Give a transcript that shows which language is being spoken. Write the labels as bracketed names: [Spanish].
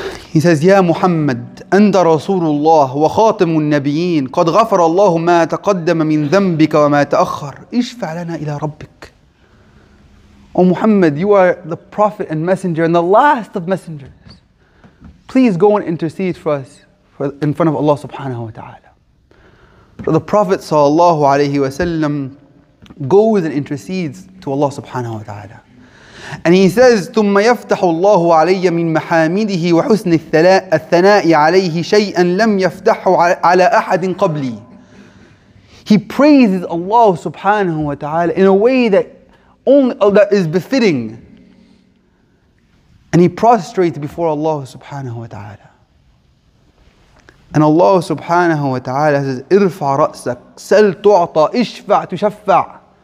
[English] He says, [Arabic] يا محمد أنت رسول الله وخاتم النبيين قد غفر الله ما تقدم من ذنبك وما تأخر اشفع لنا إلى ربك. [English] Oh Muhammad, you are the prophet and messenger and the last of messengers. Please go and intercede for us in front of Allah subhanahu wa ta'ala. So the Prophet sallallahu alayhi wasallam goes and intercedes to Allah subhanahu wa ta'ala. And he says, [Arabic] ثم يفتح الله علي من محامده وحسن الثناء عليه شيئا لم يفتحه على أحد قبلي. [English] He praises Allah subhanahu wa ta'ala in a way that is befitting. And he prostrates before Allah subhanahu wa ta'ala. And Allah subhanahu wa ta'ala says, [Arabic] ارفع رأسك سل تعطى اشفع تشفع.